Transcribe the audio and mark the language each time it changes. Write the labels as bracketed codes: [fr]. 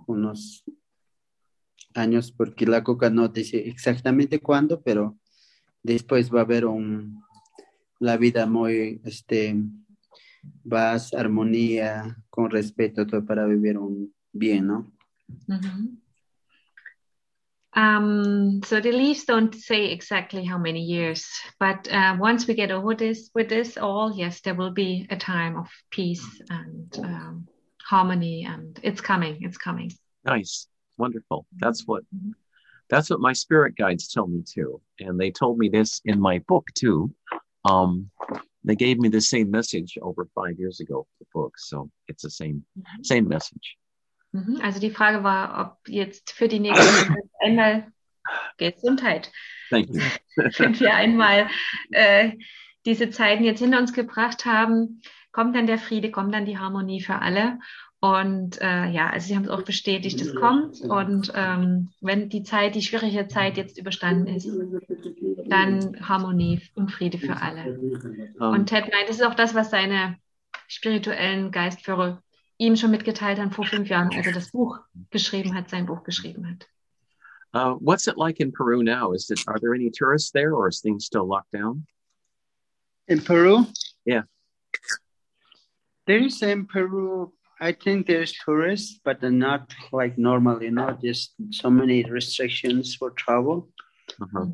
[es] Unos años, porque la coca no dice exactamente cuándo, pero después va a haber la vida muy, paz, armonía, con respeto, todo para vivir bien, ¿no? [en] So the leaves don't say exactly how many years, but once we get over this with this all, yes, there will be a time of peace and harmony, and it's coming. Nice, wonderful. That's what my spirit guides tell me too, and they told me this in my book too. They gave me the same message over 5 years ago for the book, so it's the same message. [de] Also die Frage war, ob jetzt für die nächste einmal Gesundheit. [en] Thank you. [de] Wenn wir einmal diese Zeiten jetzt hinter uns gebracht haben, kommt dann der Friede, kommt dann die Harmonie für alle. Und ja, also sie haben es auch bestätigt, es kommt. Und wenn die Zeit, die schwierige Zeit jetzt überstanden ist, dann Harmonie und Friede für alle. Und Ted meint, das ist auch das, was seine spirituellen Geistführer ihm schon mitgeteilt haben vor 5 Jahren, als er das Buch geschrieben hat, sein Buch geschrieben hat. [en] What's it like in Peru now? Is it, are there any tourists there or is things still locked down? In Peru? Yeah. There is in Peru, I think there's tourists, but they're not like normal, you know, just so many restrictions for travel. Uh-huh.